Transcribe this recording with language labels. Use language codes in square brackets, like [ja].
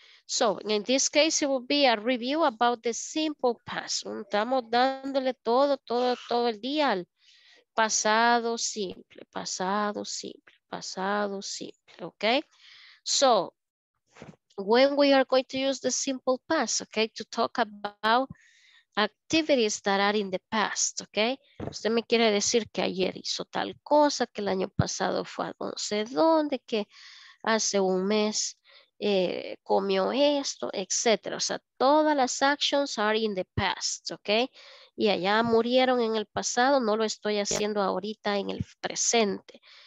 [en] So, in this case, it will be a review about the simple past. [es] Estamos dándole todo el día al pasado simple, pasado simple, pasado simple, okay? [en] So, when we are going to use the simple past, okay, to talk about activities that are in the past, ¿ok? [es] Usted me quiere decir que ayer hizo tal cosa, que el año pasado fue a no sé dónde, que hace un mes comió esto, etcétera. O sea, todas las [en] actions are in the past, [es] ¿ok? Y allá murieron en el pasado, no lo estoy haciendo ahorita en el presente.